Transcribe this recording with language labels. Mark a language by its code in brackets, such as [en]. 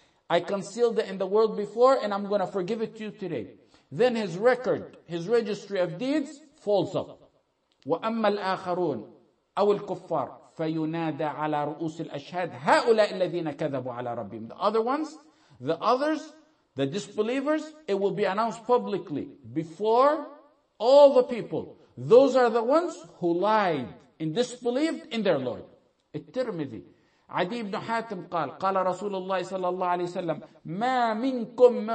[en] I concealed it in the world before and I'm going to forgive it to you today. Then his record, his registry of deeds falls up. [ar] وَأَمَّا الْآخَرُونَ أَوِ الْكُفَّارِ فينادى على رؤوس الأشهاد هؤلاء الذين كذبوا على ربهم. [en] The other ones, the others, the disbelievers, it will be announced publicly before all the people. Those are the ones who lied and disbelieved in their Lord. [ar] الترمذي عدي بن حاتم قال قال رسول الله صلى الله عليه وسلم ما منكم